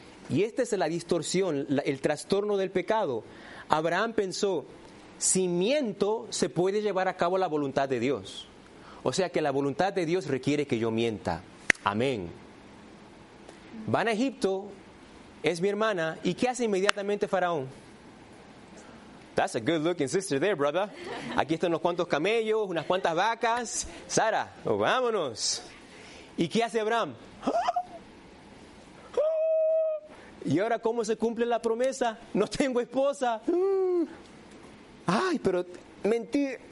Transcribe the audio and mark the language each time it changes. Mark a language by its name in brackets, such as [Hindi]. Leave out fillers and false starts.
[Spanish] Y esta es la distorsión, el trastorno del pecado. Abraham pensó, si miento, se puede llevar a cabo la voluntad de Dios. O sea que la voluntad de Dios requiere que yo mienta. Amén. Van a Egipto, es mi hermana, ¿y qué hace inmediatamente Faraón? [English] That's a good looking sister there, brother. [Spanish] Aquí están unos cuantos camellos, unas cuantas vacas. Sara, oh, vámonos. ¿Y qué hace Abraham? ¿Y ahora cómo se cumple la promesa? No tengo esposa. Ay, pero mentí.